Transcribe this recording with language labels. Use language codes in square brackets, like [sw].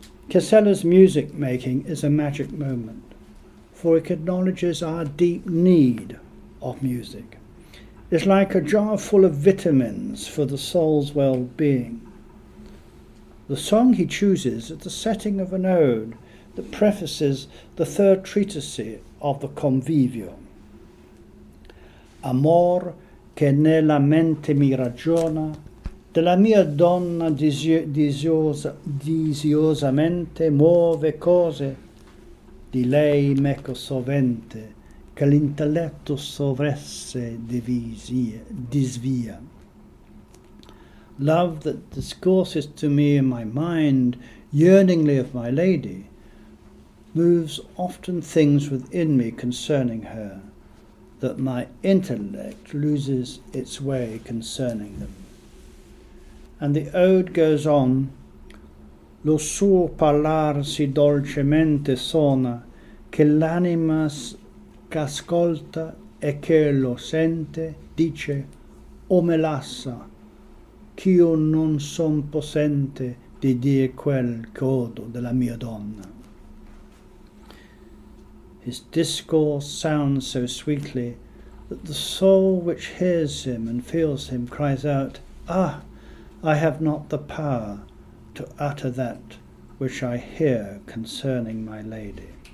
[en] Casella's music making is a magic moment, for it acknowledges our deep need of music. It's like a jar full of vitamins for the soul's well-being. The song he chooses is the setting of an ode that prefaces the third treatise of the Convivio. [it] Amor che nella mente mi ragiona, della mia donna disiosamente muove cose, di lei meco sovente che l'intelletto sovresse disvia. [en] Love that discourses to me in my mind yearningly of my lady moves often things within me concerning her that my intellect loses its way concerning them. And the ode goes on, [it] lo suo parlar si dolcemente suona che l'anima che ascolta e che lo sente dice O me lassa, ch'io non son possente di dir quel godo della mia donna. [en] His discourse sounds so sweetly that the soul which hears him and feels him cries out, Ah, I have not the power to utter that which I hear concerning my lady.